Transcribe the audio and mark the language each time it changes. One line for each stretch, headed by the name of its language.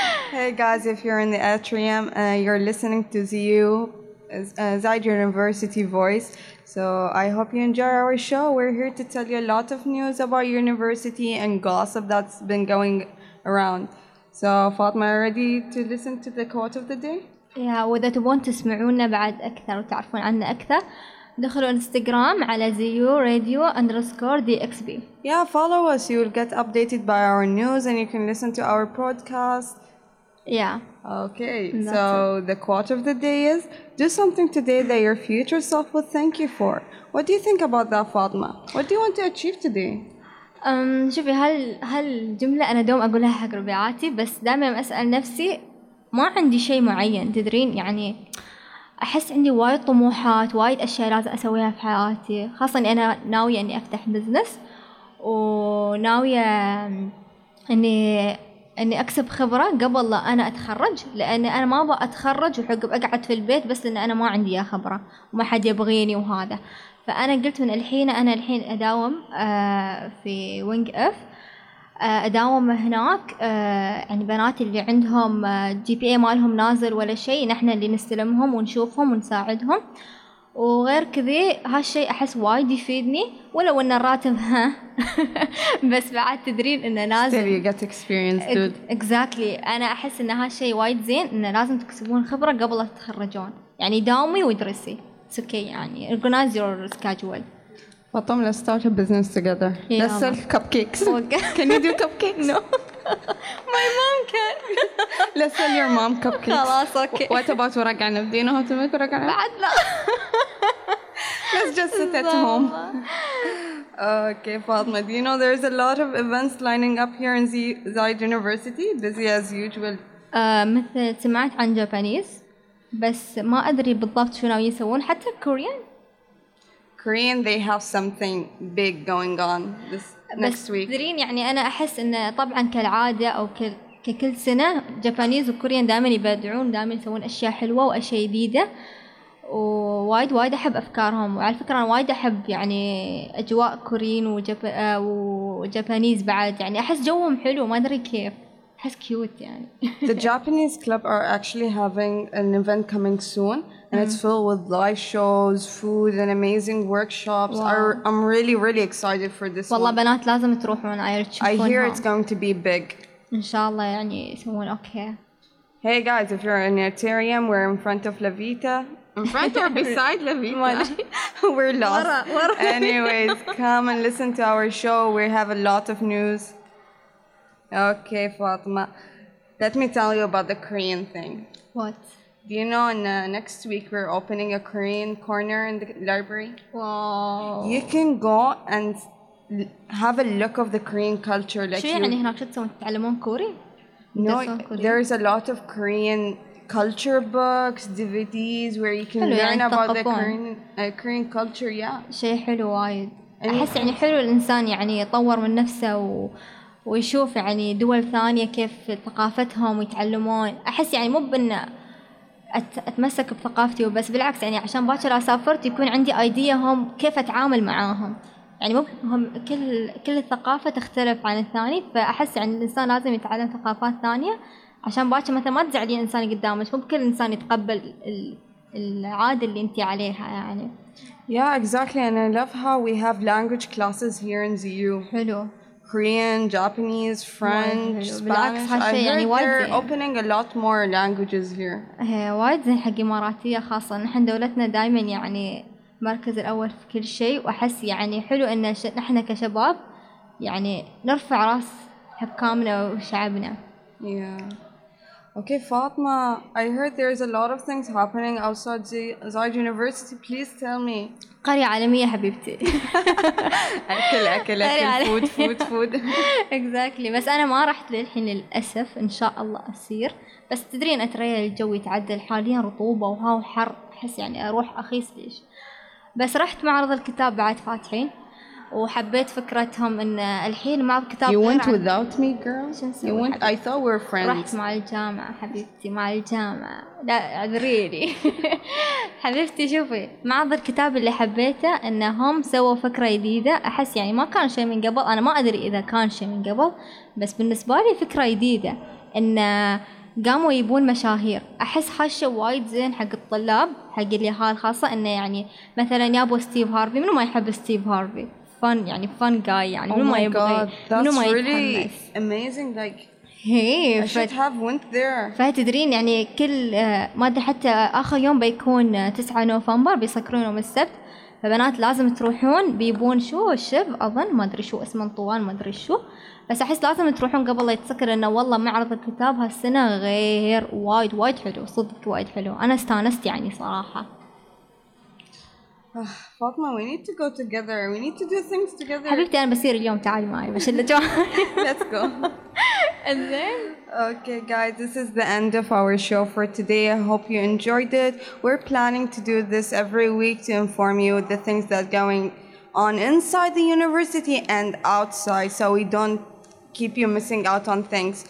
English: Hey, guys, if you're in the atrium, you're listening to ZU. Zaid University Voice. So I hope you enjoy our show. We're here to tell you a lot of news about university and gossip that's been going around. So Fatma, ready to listen to the quote of the day? Yeah,
Arabic: وإذا تبون تسمعونا بعد أكثر وتعرفون عنا أكثر دخلوا إنستغرام على ZU Radio _DXB.
English: Yeah, follow us. You'll get updated by our news and you can listen to our podcast. Yeah. Okay, so the quote of the day is, do something today that your future self will thank you for. What do you think about that, Fatma? What do you want to achieve today?
Arabic: شوفي هل جملة أنا دوم أقولها حق ربيعاتي بس دائما أسأل نفسي ما عندي شيء معين تدرين يعني أحس عندي وايد طموحات وايد أشياء لازم أسويها في حياتي خاصة أنا ناوية أني أفتح بزنس وناوية أني أكسب خبرة قبل لا أنا أتخرج لأن أنا ما أبغى أتخرج وحق أقعد في البيت بس لأن أنا ما عندي يا خبرة وما حد يبغيني وهذا فأنا قلت من الحين أنا الحين أداوم في وينج إف أداوم هناك يعني بنات اللي عندهم جي بي اي مالهم نازل ولا شيء نحن اللي نستلمهم ونشوفهم ونساعدهم وغير كذي هالشيء أحس وايد يفيدني ولو إن الراتب ها بس بعد تدرين إنه لازم
English: still you get experience dude exactly
Arabic: أنا أحس إن هالشيء وايد زين إنه لازم تكسبون خبرة قبل تتخرجون يعني داومي ودرسي
English: it's okay
Arabic: يعني
English: organize your schedule فطم let's start a business together let's sell cupcakes can you do cupcakes no my mom can let's sell your mom cupcakes
Arabic: خلاص okay
English: what about
Arabic: ورق عنب
English: do you know how to make ورق عنب
Arabic: بعد لا
English: Let's just sit at home. Okay, Fatma, do you know there's a lot of events lining up here in Zaid University? Busy as usual.
Arabic: مثل سمعت عن جابانيز بس ما أدري بالضبط شو ناوي يسوون حتى كوريان.
English: Korean, they have something big going on this next week.
Arabic: بس تدرين يعني أنا أحس إنه طبعاً كالعادة أو ككل سنة جابانيز وكوريان دائماً يبدعون دائماً يسوون أشياء حلوة وأشياء جديدة. ووايد وايد أحب أفكارهم وعلى فكرة أنا وايد أحب يعني أجواء كوريين وجابانيز بعد يعني أحس جوهم حلو ما أدري كيف أحس كيوت يعني
English: The Japanese club are actually having an event coming soon and it's filled with live shows, food and amazing workshops I'm really really excited for this
Arabic: والله بنات لازم تروحون
English: I hear it's going to be big
Arabic: إن شاء الله يعني يسوون أوكي
English: Hey guys, if you're in Ethereum, we're in front of La Vita. In front or beside La Vita? We're lost. Anyways, come and listen to our show. We have a lot of news. Okay, Fatma. Let me tell you about the Korean thing. What? Do you know, in next week, we're opening a Korean corner in the library? Wow. You can go and have a look of the Korean culture. What do you mean? What do you mean? No, there is a lot of Korean culture books, DVDs where you can learn about the Korean culture. Yeah.
Arabic: شيء حلو وايد. أحس يعني حلو الإنسان يعني يطور من نفسه ويشوف يعني دول ثانية كيف ثقافتهم ويتعلمون. أحس يعني مو بإن أتمسك بثقافتي وبس بالعكس يعني عشان باكر أسافرت يكون عندي أيديا هم كيف أتعامل معاهم. يعني هم كل الثقافة تختلف عن الثاني فأحس يعني الإنسان لازم يتعلم ثقافات ثانية عشان باكر مثلا ما تزعلين الإنسان قدامك مو بكل إنسان يتقبل العادة اللي أنت عليها يعني
English: Yeah exactly and I love how we have language classes here in ZU
Arabic: حلو
English: Korean, Japanese, French, Spanish I heard
Arabic: يعني
English: they're opening a lot more languages here
Arabic: هي وايد زين حق إماراتية خاصة نحن دولتنا دائما يعني مركز الأول في كل شيء وأحس يعني حلو إن نحن كشباب يعني نرفع رأس حكامنا وشعبنا.
English: Yeah. Okay, Fatma, I heard there's a lot of things happening outside the Zayed University. Please tell me.
Arabic: قرية عالمية حبيبتي. أكل أكل أكل.
English: food food food. exactly.
Arabic: بس أنا ما رحت للحين للأسف. إن شاء الله أسير. بس تدرين أتريا الجو يتعدل حاليا رطوبة وهاو حر. حس يعني أروح أخيص ليش. بس رحت معرض الكتاب بعد فاتحين. وحبيت فكرتهم إن الحين مع الكتاب.
English: You went without me, girl. You went. I thought we were friends.
Arabic: رحت مع الجامعة حبيبتي مع الجامعة. لا عذريني. حبيبتي شوفي معرض الكتاب اللي حبيته إنهم سووا فكرة جديدة أحس يعني ما كان شيء من قبل أنا ما أدري إذا كان شيء من قبل بس بالنسبة لي فكرة جديدة إن قاموا يبون مشاهير أحس حاشة وايد زين حق الطلاب حق اللي هال خاصة إنه يعني مثلاً يابوا ستيف هارفي منو ما يحب ستيف هارفي.
English: Fun,
Arabic: يعني
English: fun guy, يعني oh my god,
Arabic: يبغي.
English: That's really amazing. Like, hey, I should have went there.
Arabic: فهتدرين يعني كل ما أدري حتى آخر يوم بيكون 9 نوفمبر بيسكرون يوم السبت. فبنات لازم تروحون بيبون شو شيف أظن ما أدري شو اسمه طوان ما أدري شو. بس أحس لازم تروحون قبل لا يتسكر إنه والله معرض الكتاب هالسنة غير وايد وايد حلو صدق وايد حلو. أنا استانست يعني صراحة.
English: Fatma, we need to go together. We need to do things together.
Arabic: حبيبتي أنا بسير اليوم تعالي معي بشيل الجو.
English: Let's go. And then. Okay, guys, this is the end of our show for today. I hope you enjoyed it. We're planning to do this every week to inform you the things that are going on inside the university and outside, so we don't keep you missing out on things.